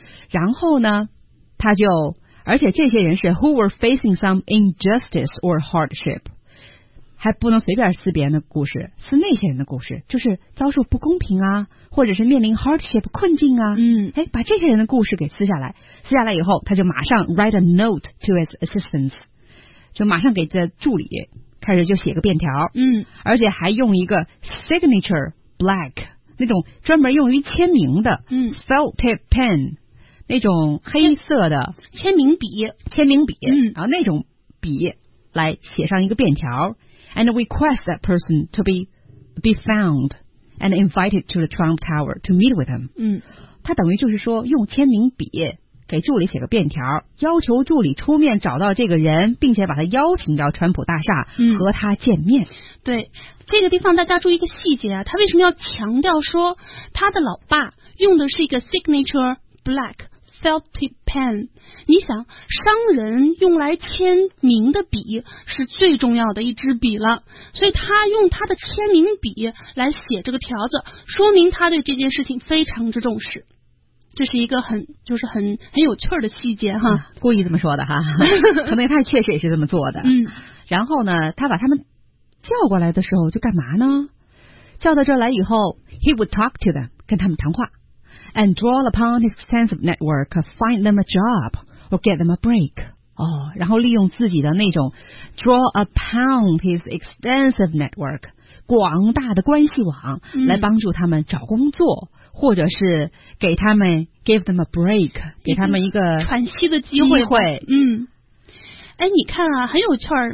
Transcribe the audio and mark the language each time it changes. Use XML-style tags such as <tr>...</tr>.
<zh>然后呢，他就，而且这些人是</zh> <en>who were facing some injustice or hardship，</en> <zh>还不能随便撕别人的故事，撕那些人的故事，就是遭受不公平啊，或者是面临 hardship 困境啊。嗯，哎，把这些人的故事给撕下来，撕下来以后，他就马上</zh> <en>write a note to his assistants，</en> <zh>就马上给这助理。开始就写个便条，嗯，而且还用一个 signature black 那种专门用于签名的，嗯， felt tip pen 那种黑色的签名笔，嗯，然后那种笔来写上一个便条</zh> <en>，and request that person to be found and invited to the Trump Tower to meet with him。嗯，</en> <zh>他等于就是说用签名笔。给助理写个便条，要求助理出面找到这个人，并且把他邀请到川普大厦和他见面。对，这个地方大家注意一个细节啊，他为什么要强调说他的老爸用的是一个</zh> <en>signature black felt tip pen？</en> <zh>你想，商人用来签名的笔是最重要的一支笔了，所以他用他的签名笔来写这个条子，说明他对这件事情非常之重视。这是一个很有趣的细节哈、故意这么说的哈，可能他确实也是这么做的。嗯，然后呢，他把他们叫过来的时候就干嘛呢？叫到这儿来以后</zh> <en>，he would talk to them，</en> <zh>跟他们谈话</zh> <en>，and draw upon his extensive network， find them a job or get them a break。</en> <zh>哦，然后利用自己的那种</zh> <en>draw upon his extensive network</en> <zh>广大的关系网来帮助他们找工作。嗯，或者是给他们</zh> <en>give them a break，</en> <zh>给他们一个喘息的机会。哎，你看啊，很有趣儿。</zh>